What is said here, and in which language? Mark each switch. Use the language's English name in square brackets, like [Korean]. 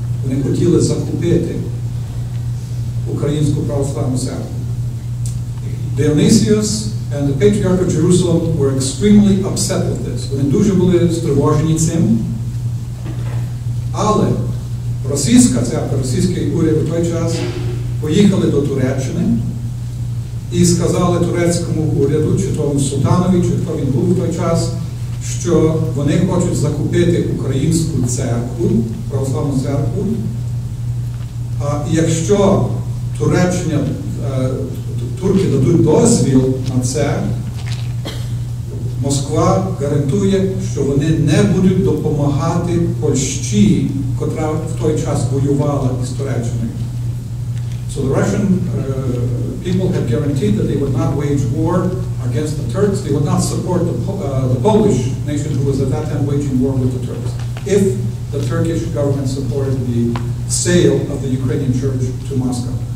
[Ukrainian] Вони хотіли закупити українську православну церкву. [English] Dionysius and the Patriarch of Jerusalem were extremely upset with this. [Ukrainian] Вони дуже були стривожені цим. Але російська церква, російський уряд у той час поїхали до Туреччини і сказали турецькому уряду, чи тому султанові, чи хто він був у той час, що вони хочуть закупити українську церкву, православну церкву, і якщо Туреччина турки дадуть дозвіл на це, Москва гарантує, що вони не будуть допомагати Польщі, котра в той час воювала із Туреччиною. [English] So the Russian people have guaranteed that they would not wage war against the Turks. They would not support the Polish nation who was at that time waging war with the Turks if the Turkish government supported the sale of the Ukrainian church to Moscow.